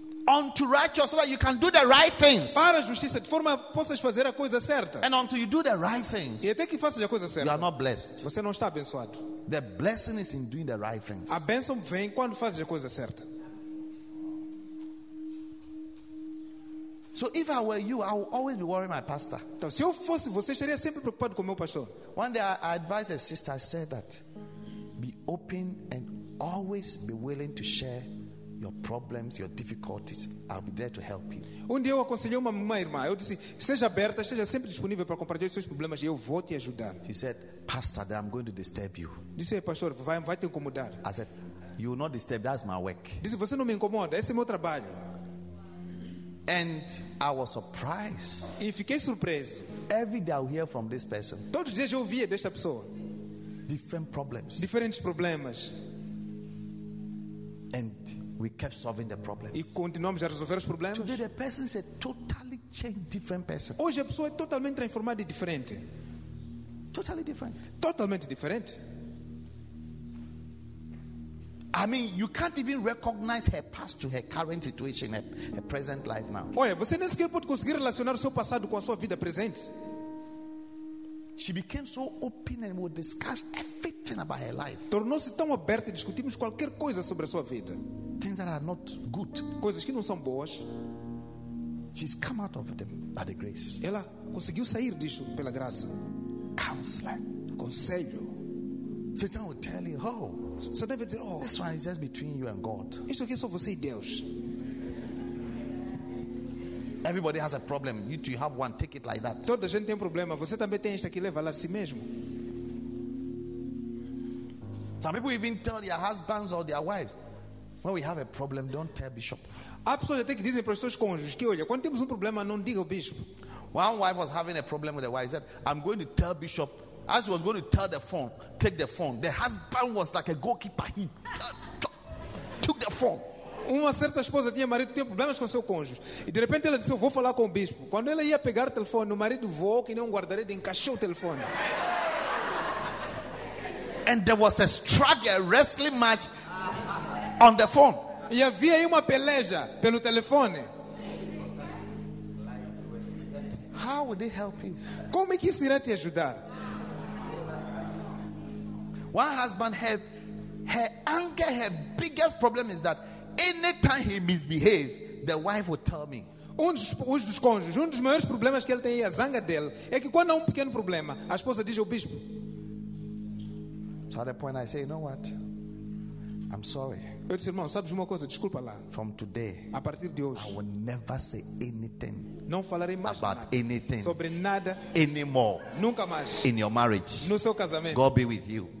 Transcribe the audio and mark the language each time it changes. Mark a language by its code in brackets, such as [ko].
[en] Unto righteousness, so that you can do the right things. [pt] Para a justiça, de forma que possas fazer a coisa certa. [en] And until you do the right things, [pt] e até que faças a coisa certa, [en] you are not blessed. [pt] Você não está abençoado. [en] The blessing is in doing the right things. [pt] A bênção vem quando fazes a coisa certa. [en] So if I were you, I would always be worrying my pastor. [pt] Então, se eu fosse você, estaria sempre preocupado com meu pastor. [en] One day I advised a sister, I said that be open and always be willing to share your problems, your difficulties. I'll be there to help you. [pt] Um dia eu aconselhei uma irmã, eu disse, seja aberta, esteja sempre disponível para compartilhar os seus problemas e eu vou te ajudar. [en] She said, pastor, that I'm going to disturb you. [pt] Disse, pastor, vai te incomodar. [en] I said, you will not disturb, that's my work. [pt] Disse, você não me incomoda, esse é meu trabalho. [en] And I was surprised. [pt] E fiquei surpreso. [en] Every day I hear from this person. [pt] Todos os dias eu ouvia desta pessoa. [en] Different problems. [pt] Diferentes problemas. [en] And we kept solving the problems. [pt] E continuamos a resolver os problemas. [en] Today the person is a totally changed, different person. [pt] Hoje a pessoa é totalmente transformada e diferente. [en] Totally different. [pt] Totalmente diferente. [en] I mean, you can't even recognize her past to her current situation, her present life now. [pt] Olha, você nem sequer pode conseguir relacionar o seu passado com a sua vida presente. [en] She became so open and would discuss everything about her life. [pt] Tornou-se tão aberta e discutimos qualquer coisa sobre a sua vida. [en] Things that are not good. [pt] Coisas que não são boas. [en] She's come out of them by the grace. [pt] Ela conseguiu sair disso pela graça. [en] Counselor. [pt] Conselho. [en] Satan will tell you, oh, Satan will say, oh, this one is just between you and God. [pt] Isso aqui é só você e Deus. [en] Everybody has a problem. You two have one, take it like that. [pt] Toda gente tem problema. Você também tem isto aqui, leva lá a si mesmo. [en] Some people even tell their husbands or their wives, When we have a problem, don't tell bishop. [pt] Há pessoas até que dizem para os seus cônjuges que, olha, quando temos problema, não diga ao bispo. [en] One wife was having a problem with the wife. He said, I'm going to tell bishop. As he was going to tell the phone, take the phone. The husband was like a goalkeeper. He took the phone. [pt] Uma certa esposa tinha marido, tinha problemas com seu cônjuge. E de repente ela disse, eu vou falar com o bispo. Quando ela ia pegar o telefone, o marido voou que nem um guarda-redes, encaixou o telefone. [en] And there was a struggle, a wrestling match on the phone. [pt] E havia aí uma peleja pelo telefone. [en] How would they help him? [pt] Como é que isso iria te ajudar? [en] One husband had her anger, her biggest problem is that anytime he misbehaves, the wife would tell me. [pt] Um dos maiores problemas que ele tem é a zanga dele. É que quando há um pequeno problema, a esposa diz ao bispo. [en] So at that point I say, you know what? I'm sorry. [pt] Eu disse, irmão, sabes uma coisa? Desculpa lá. [en] From today, [pt] a partir de hoje, [en] I will never say anything. [pt] Não falarei mais [en] about [pt] nada, [en] anything [pt] sobre nada [en] anymore. [pt] Nunca mais. [en] In your marriage, [pt] no seu casamento. [en] God be with you.